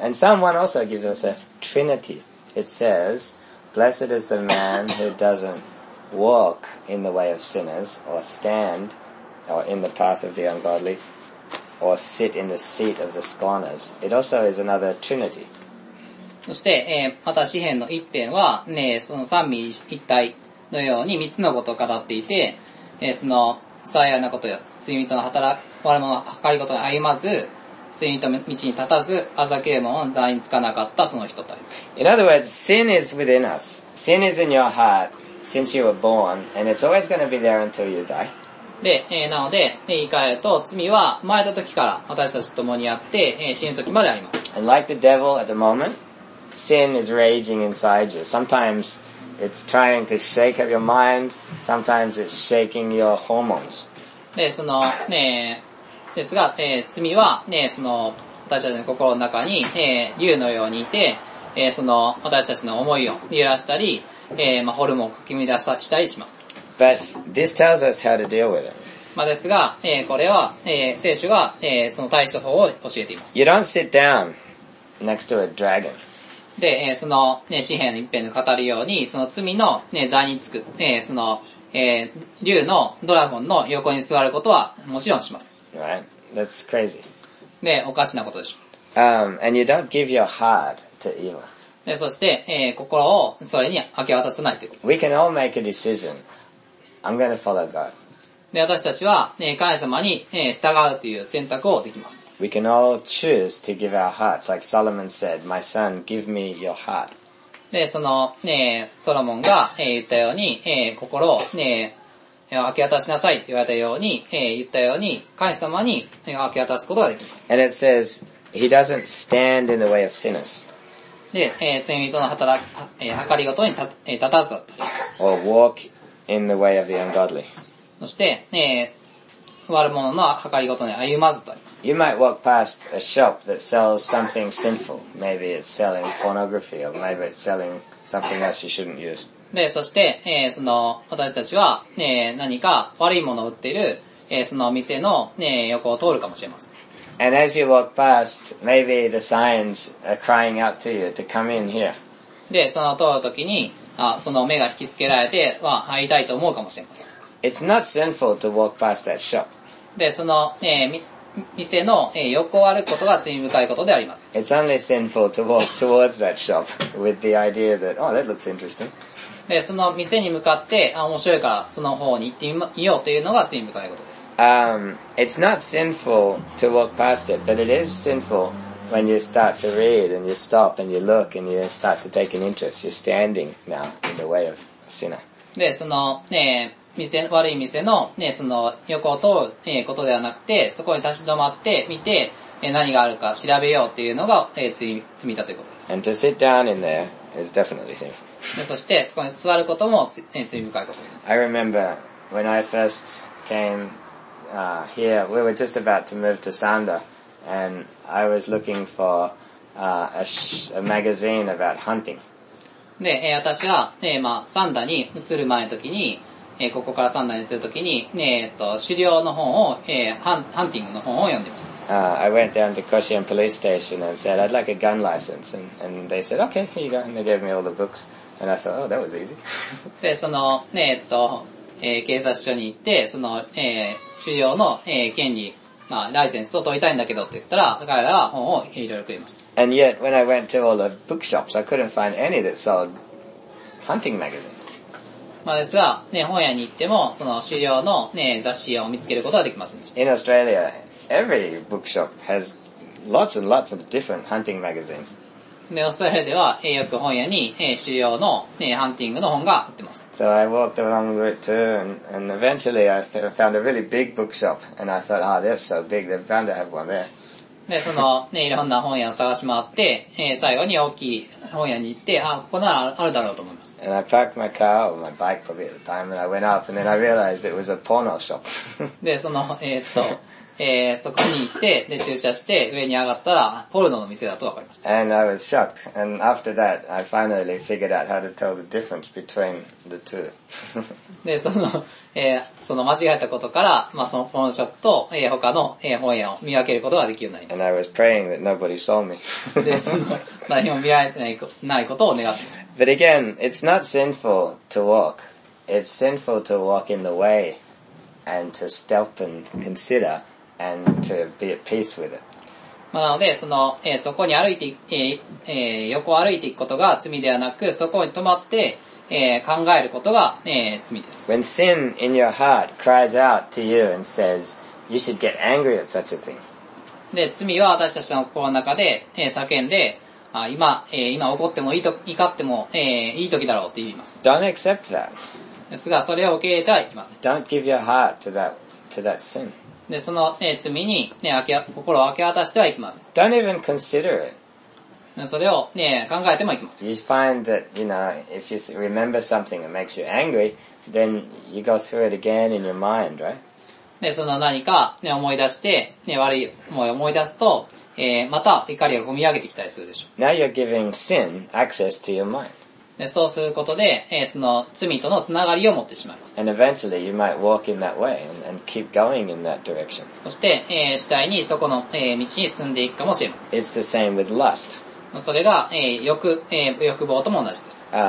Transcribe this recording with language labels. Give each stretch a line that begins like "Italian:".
English: And Psalm 1 also gives us a trinity. It says, Blessed is the man who doesn'tWalk in the way of sinners, or stand, or in the path of the ungodly, or sit in the seat of the scorners. It also is another trinity.
Japanese: そして、また詩篇の一篇は、ね、その三位一体のように三つのことを語っていて、その、幸いなことよ、罪人の働く、我々の計り事に歩まず、罪人の道に立たず、あざけるものの座につかなかったその人たち。
English: In other words, sin is within us. Sin is in your heart. Since you were born, and it's always going to be there until you die.
Japanese: で、なので、言い換えると、罪は生まれた時から私たちと共にあって、死ぬ時まであります。
English: And like the devil at the moment, sin is raging inside you. Sometimes it's trying to shake up your mind, sometimes it's shaking your hormones.
Japanese: で、その、ね、ですが、罪は、ね、その、私たちの心の中に、竜のようにいて、その、私たちの思いを揺らしたり、まあ、ホルモンをかき乱したりします。
English: But this tells us how to deal with it.
Japanese: まあですが、これは、聖書が、その対処法を教えています。
English: You don't sit down next to a dragon.
Japanese: で、その、ね、詩篇の一篇で語るように、その罪の、ね、座につく、その、竜のドラゴンの横に座ることはもちろんします。
English: Right. That's crazy.
Japanese: で、おかしなことでしょう。
English: And you don't give your heart to evil.
Japanese: でそして、心をそれに明け渡さないということ。
English: We can all make a decision. I'm going to follow God.
Japanese: で私たちは、神様に、従うという選択をできます。
English: We can all choose to give our hearts, like Solomon said, "My son, give me your heart."
Japanese: でその、ソロモンが、言ったように、心を、明け渡しなさいと言われたように、言ったように、神様に、明け渡すことができます。
English: And it says he doesn't stand in the way of sinners.
Japanese: で、罪人の働き、計りごとに立たずだったり。
English: Or walk in the way of the ungodly.
Japanese: そして、悪者の計りごとに歩まずとあります。
English: You might walk past a shop that sells something sinful. Maybe it's selling pornography, or maybe it's selling something else you shouldn't use.
Japanese: で、そして、その、私たちは、何か悪いものを売っている、その店の、横を通るかもしれません。
English: And as you walk past, maybe the signs are crying out to you to come in here.
Japanese: で、その通るときに、その目が引きつけられて、は、入りたいと思うかもしれません。
English: It's not sinful to walk past that shop.
Japanese: で、その、店の、横を歩くことが罪深いことであります。
English: It's only sinful to walk towards that shop with the idea that, oh, that looks interesting.
Japanese: で、その店に向かって、あ、面白いから、その方に行ってみようというのが罪深いことです。
English: It's not sinful to walk past it, but it is sinful when you start to read and you stop and you look and you start to take an interest. You're standing now in the way of a sinner.
Japanese: で、その、悪い店の、その横を通る、ことではなくて、そこに立ち止まって見て、何があるか調べようというのが、罪だということです。
English: And to sit down in there is definitely sinful.
Japanese: で、そして、そこに座ることも、罪深いことです。
English: I remember when I first cameHere, we were just about to move to Sanda, and I was looking for a magazine about hunting.
Japanese: で、私は、まあ、サンダに移る前の時に、ここからサンダに移る時に、狩猟の本を、ハンティングの本を読んでいました。
English: I went down to Koshien Police Station and said, I'd like a gun license. And they said, okay, here you go. And they gave me all the books. And I thought, oh, that was easy.
Japanese: で、その、警察署に行って、その、狩猟の、権利、まあ、ライセンスを取りたいんだけどって言ったら、彼らは本をいろいろくれました。
English: And yet, when I went to all the bookshops, I couldn't find any that sold hunting magazines.
Japanese: まあですが、ね、本屋に行っても、その狩猟の、ね、雑誌を見つけることはできませんでした。
English: In Australia, every bookshop has lots and lots of different hunting magazines.
Japanese: で、オーストラリアでは、よく本屋に、狩猟の、ハンティングの本が売ってます。
English: So I walked along the route too, and eventually I found a really big bookshop, and I thought, ah, this is so big, they're bound to have one there.
Japanese: で、その、いろんな本屋を探し回って、最後に大きい本屋に行って、あ、ここならあるだろうと思いました。
English: And I parked my car or my bike for a bit at the time, and I went up, and then I realized it was a porno shop.
Japanese: で、その、そこに行って、で、駐車して、上に上がったら、ポルノの店だと分かりました。
English: And I was shocked. And after that, I finally figured out how to tell the difference between the two.
Japanese: で、その、その間違えたことから、まあ、そのポルノショップと、他の、本屋を見分けることができるようになりました。
English: And I was praying that nobody saw me.
Japanese: で、その、何も見られてない、ないことを願ってました。
English: But again, it's not sinful to walk. It's sinful to walk in the way and to stop and consider. And to be at peace with it.
Japanese: まあなので、その、そこに歩いて、横を歩いていくことが罪ではなく、そこに止まって、考えることが、罪です。
English: When sin in your heart cries out to you and says, you should get angry at such a thing.
Japanese: で、罪は私たちの心の中で、叫んで、あ、今、今怒ってもいいと、怒っても、いい時だろうと言います。
English: Don't accept that.
Japanese: ですが、それを受け入れてはいけません。
English: Don't give your heart to that sin.
Japanese: で、その、罪に、ね、心を明け渡してはいきます。
English: Don't even consider it.
Japanese: それを、ね、考えてもいきます。
English: You find that, you know, if you remember something that makes you angry, then you go through it again in your mind, right?
Japanese: で、その何か、ね、思い出して、ね、悪い思いを思い出すと、また怒りが込み上げてきたりするでしょう。
English: Now you're giving sin access to your mind.
Japanese: で、そうすることで、その罪とのつながりを持ってしまいます。
English: And eventually you might walk in that way and keep going in that direction.
Japanese: そして、次第にそこの、道に進んでいくかもしれません。
English: It's the same with lust.
Japanese: それが、欲望とも同じです。